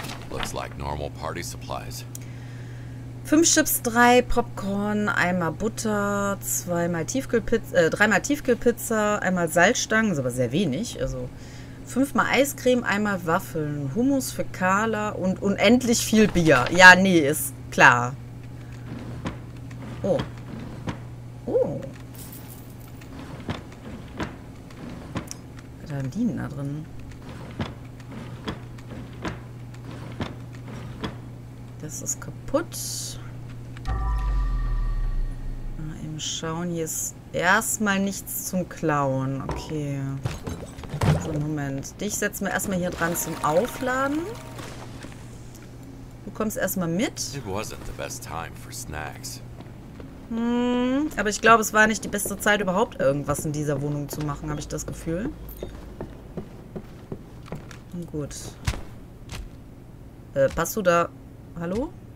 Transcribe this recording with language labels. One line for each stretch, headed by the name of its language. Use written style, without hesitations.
English: Looks like normal party supplies.
German: 5 Chips, 3 Popcorn, einmal Butter, dreimal Tiefkühlpizza, einmal Salzstangen, ist aber sehr wenig. Also 5-mal Eiscreme, einmal Waffeln, Hummus für Carla und unendlich viel Bier. Ja, nee, ist klar. Oh. Dienen da drin. Das ist kaputt. Mal eben schauen. Hier ist erstmal nichts zum Klauen. Okay. Also Moment. Dich setzen wir erstmal hier dran zum Aufladen. Du kommst erstmal mit.
English: It wasn't the best time for snacks.
German: Aber ich glaube, es war nicht die beste Zeit, überhaupt irgendwas in dieser Wohnung zu machen, habe ich das Gefühl. Gut. Passt du da? Hallo?